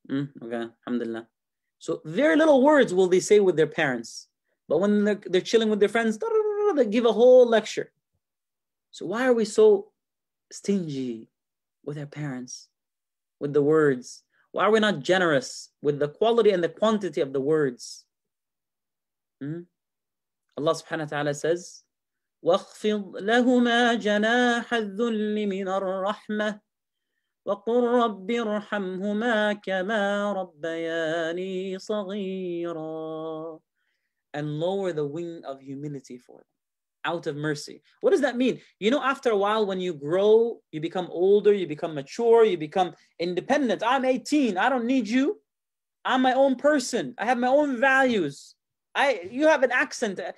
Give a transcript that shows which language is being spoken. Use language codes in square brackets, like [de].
[en] Okay, alhamdulillah. So very little words will they say with their parents. But when they're chilling with their friends, they give a whole lecture. So why are we so stingy with our parents, with the words? Why are we not generous with the quality and the quantity of the words? [ar] Allah subhanahu wa ta'ala says, وَاخْفِضْ لَهُمَا جَنَاحَ الذُّلِّ مِنَ الرَّحْمَةِ وَقُلْ رَبِّ ارْحَمْهُمَا كَمَا رَبَّيَانِي صَغِيرًا. [en] And lower the wing of humility for them, out of mercy. What does that mean? You know, after a while, when you grow, you become older, you become mature, you become independent. I'm 18. I don't need you. I'm my own person. I have my own values. You have an accent.